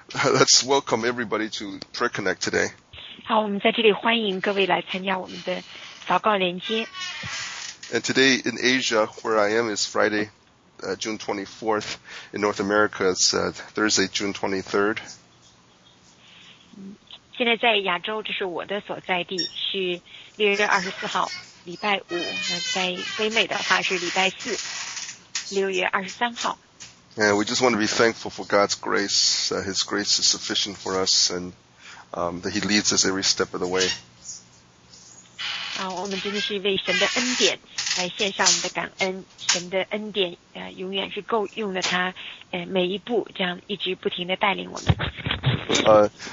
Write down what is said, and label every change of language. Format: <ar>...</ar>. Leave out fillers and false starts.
<en>Let's welcome everybody to prayer connect today.</en> <zh>好，我们在这里欢迎各位来参加我们的祷告连接。</zh> <en>And today in Asia, where I am, is Friday, June 24th. In North America, it's Thursday, June 23rd.</en> <zh>现在在亚洲，这是我的所在地，是6月24号，礼拜五。那在北美的话是礼拜四，6月23号。</zh> <en>And we just want to be thankful for God's grace. His grace is sufficient for us, and that He leads us every step of the way.</en> <zh>我们真的是为神的恩典来献上我们的感恩。神的恩典永远是够用的，他每一步这样一直不停地带领我们。</zh>